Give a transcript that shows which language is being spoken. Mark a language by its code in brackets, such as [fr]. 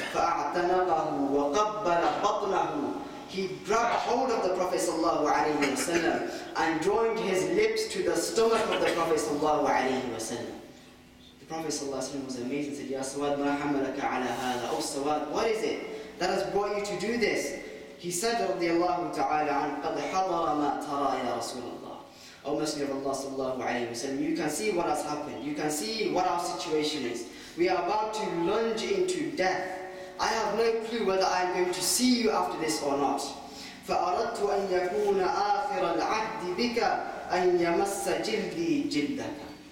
[ar] فَأَعْتَنَقَهُ وَقَبَّلَ بَطْنَهُ. [en] He grabbed hold of the Prophet sallallahu alayhi wa sallam and joined his lips to the stomach of the Prophet sallallahu alayhi wa sallam. The Prophet sallallahu alayhi wa sallam was amazed and said, [ar] Ya Sawad, ma hamalaka ala hala. [en] Oh Sawad, what is it that has brought you to do this? He said radiallahu ta'ala an, [ar] قَدْ حَضَرَ مَا تَرَى يَا رَسُولَ اللَّهِ. [en] Oh Messenger of Allah sallallahu alayhi wa sallam, you can see what has happened. You can see what our situation is. We are about to lunge into death. I have no clue whether I am going to see you after this or not. [ar] فَأَرَدْتُ أَنْ يَكُونَ آخِرَ الْعَهْدِ بِكَ أَنْ يَمَسَّ جِلْدِي جِلْدَكَ.